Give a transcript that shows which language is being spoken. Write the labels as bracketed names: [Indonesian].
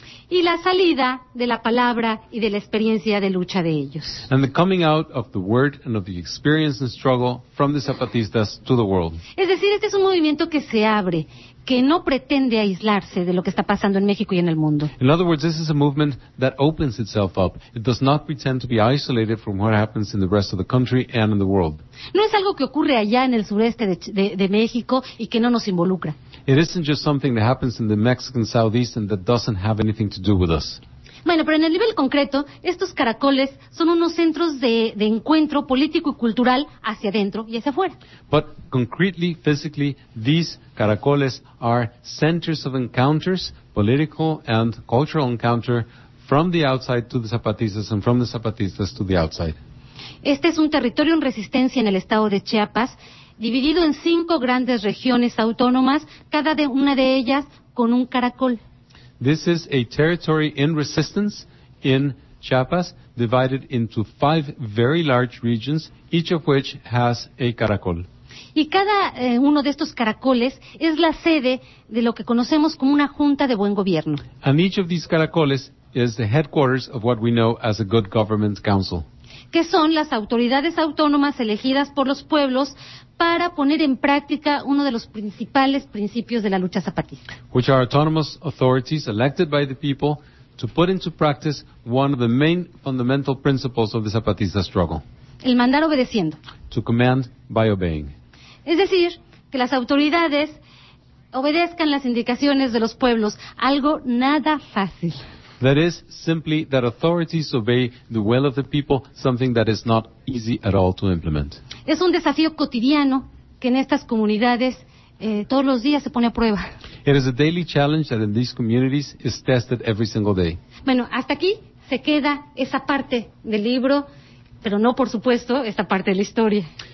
[Spanish] Y la salida de la palabra y de la experiencia de lucha de ellos. [English] And the coming out of the word and of the experience and struggle from the Zapatistas to the world. [Spanish] Es decir, este es un movimiento que se abre, que no pretende aislarse de lo que está pasando en México y en el mundo. [English] In other words, this is a movement that opens itself up. It does not pretend to be isolated from what happens in the rest of the country and in the world. [Spanish] No es algo que ocurre allá en el sureste de México y que no nos involucra. [English] It isn't just something that happens in the Mexican southeast and that doesn't have anything to do with us. [Spanish] Bueno, pero en el nivel concreto, estos caracoles son unos centros de encuentro político y cultural hacia adentro y hacia afuera. [English] But concretely, physically, these caracoles are centers of encounters, political and cultural encounter, from the outside to the Zapatistas and from the Zapatistas to the outside. [Spanish] Este es un territorio en resistencia en el estado de Chiapas, dividido en 5 grandes regiones autónomas, cada una de ellas con un caracol. [English] This is a territory in resistance in Chiapas, divided into 5 very large regions, each of which has a caracol. [Spanish] Y cada uno de estos caracoles es la sede de lo que conocemos como una junta de buen gobierno. [English] And each of these caracoles is the headquarters of what we know as a good government council. [Spanish] Que son las autoridades autónomas elegidas por los pueblos para poner en práctica uno de los principales principios de la lucha zapatista. [English] Which are autonomous authorities elected by the people to put into practice one of the main fundamental principles of the Zapatista struggle. [Spanish] El mandar obedeciendo. [English] To command by obeying. [Spanish] Es decir, que las autoridades obedezcan las indicaciones de los pueblos, algo nada fácil. [English] That is simply that authorities obey the will of the people, something that is not easy at all to implement. [Spanish] Es un desafío cotidiano que en estas comunidades todos los días se pone a prueba. [English] It is a daily challenge that in these communities is tested every single day. [Spanish] Bueno, hasta aquí se queda esa parte del libro, pero no, por supuesto, esta parte de la historia.